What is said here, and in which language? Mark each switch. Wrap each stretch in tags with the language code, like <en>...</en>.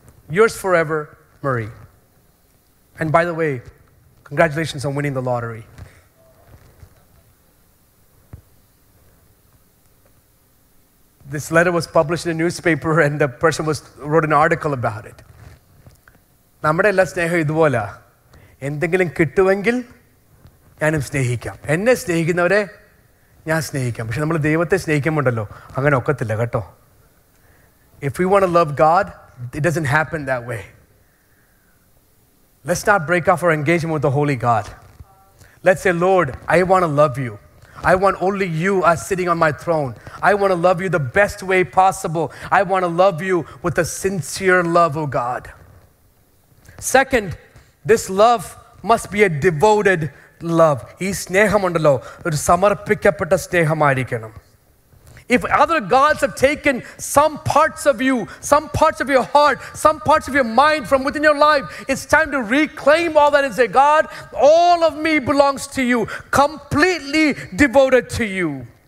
<en>Yours forever, Marie. And by the way, congratulations on winning the lottery. This letter was published in a newspaper and the person wrote an article about it.</en> <ml>നമ്മുടെ എല്ലാ സ്നേഹം ഇതുപോലെ എന്തെങ്കിലും കിട്ടുമെങ്കിൽ ഞാനും സ്നേഹിക്കാം. എന്നെ സ്നേഹിക്കുന്നവരെ ഞാൻ സ്നേഹിക്കാം. പക്ഷെ നമ്മൾ ദൈവത്തെ സ്നേഹിക്കുമ്പോണ്ടല്ലോ അങ്ങനെ ഒക്കത്തില്ല കേട്ടോ.</ml> <en>If we want to love God, it doesn't happen that way. Let's not break off our engagement with the Holy God. Let's say, Lord, I want to love you. I want only you as sitting on my throne. I want to love you the best way possible. I want to love you with a sincere love, O God. Second, this love must be a devoted love.</en> <ml>ഈ സ്നേഹം ഉണ്ടല്ലോ ഒരു സമർപ്പിക്കപ്പെട്ട സ്നേഹമായിരിക്കണം.</ml> <en>If other gods have taken some parts of you, some parts of your heart, some parts of your mind from within your life, it's time to reclaim all that and say, God, all of me belongs to you, completely devoted to you.</en>